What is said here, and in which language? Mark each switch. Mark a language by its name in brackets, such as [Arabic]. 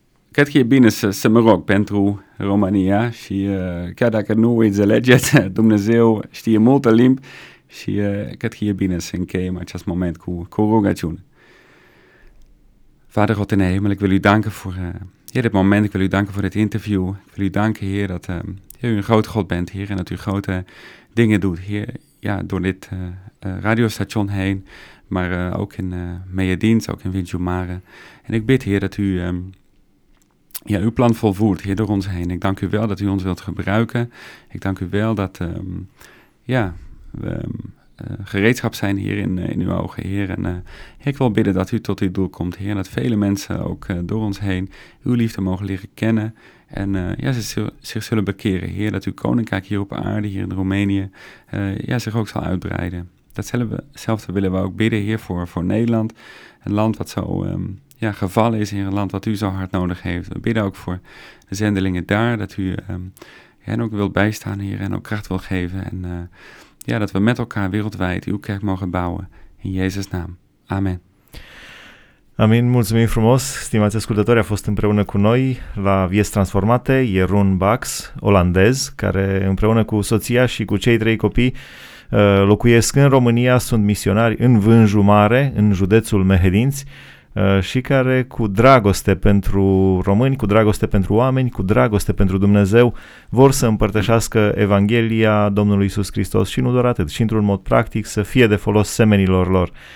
[Romanian] Cred că e bine să mă rog pentru România și chiar dacă nu o înțelegeți, Dumnezeu știe multă limbi și cred că e bine să încheiem acest moment cu rugăciune. [Dutch] Vader God in de hemel, ik wil u danken voor dit moment, ik wil u danken voor dit interview. Ik wil u danken, Heer, dat u een groot God bent, Heer, en dat u grote dingen doet, Heer, ja, door dit radiostation heen, maar ook in Mejedins, ook in Winjumare. En ik bid, Heer, dat u uw plan volvoert, Heer, door ons heen. Ik dank u wel dat u ons wilt gebruiken. Ik dank u wel dat we gereedschap zijn, Heer, in uw ogen, Heer. En Heer, ik wil bidden dat u tot uw doel komt, Heer, en dat vele mensen ook door ons heen uw liefde mogen leren kennen en zich zullen bekeren, Heer, dat uw koninkrijk hier op aarde, hier in Roemenië, zich ook zal uitbreiden. Datzelfde willen we ook bidden, Heer, voor Nederland, een land wat zo gevallen is, Heer, een land wat u zo hard nodig heeft. We bidden ook voor de zendelingen daar, dat u hen ook wilt bijstaan, Heer, en ook kracht wil geven en ja, dat we met elkaar wereldwijd uw kerk mogen bouwen. In Jezus' naam. Amen. [Romanian] Amin. Mulțumim frumos. Stimați ascultători, a fost împreună cu noi la Vieți Transformate, Jeroen Bax, olandez, care împreună cu soția și cu cei trei copii locuiesc în România, sunt misionari în Vânjumare, în județul Mehedinți, și care cu dragoste pentru români, cu dragoste pentru oameni, cu dragoste pentru Dumnezeu vor să împărtășească Evanghelia Domnului Iisus Hristos și nu doar atât, ci într-un mod practic să fie de folos semenilor lor.